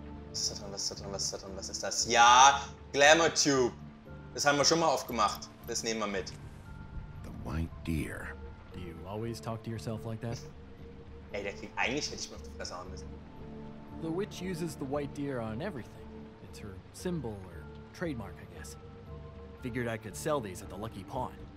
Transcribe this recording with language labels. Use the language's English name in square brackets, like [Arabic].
[German] Was ist das? Ja, Glamour Tube. Das haben wir schon mal aufgemacht. Das nehmen wir mit. [English] The White Deer. Do you always talk to yourself like that? [German] Ey, der Krieg, eigentlich hätte ich mir auf die Fresse hauen müssen. [English] The Witch uses the White Deer on everything. It's her symbol or trademark, I guess. Figured I could sell these at the Lucky Pawn.